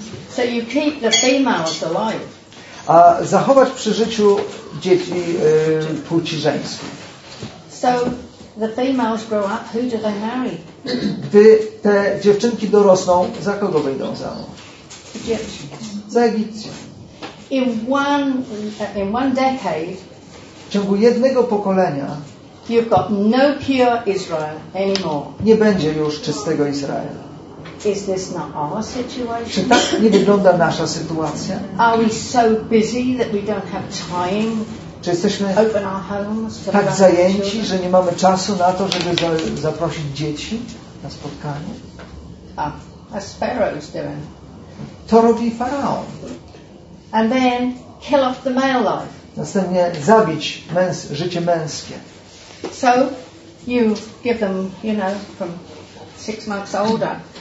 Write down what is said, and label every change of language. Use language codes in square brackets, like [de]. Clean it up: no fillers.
[en] So you keep the females alive. [pl] A zachować przy życiu dzieci płci żeńskiej. [en] So the females grow up, who do they marry? [pl] Gdy te dziewczynki dorosną, za kogo wyjdą za mąż? Za Egipcję. [en] In one decade, [pl] w ciągu jednego pokolenia, [en] you've got no pure Israel anymore. [pl] Nie będzie już czystego Izraela. [en] Is this not our situation? [pl] Czy tak nie wygląda nasza sytuacja? [en] Are we so busy that we don't have time? [pl] Czy jesteśmy tak zajęci, że nie mamy czasu na to, żeby zaprosić dzieci na spotkanie? [en] As Pharaoh's doing. [pl] To robi Faraon. [en] And then kill off the male life. [pl] Następnie zabić życie męskie. [en] So you give them, you know, from 6 months older.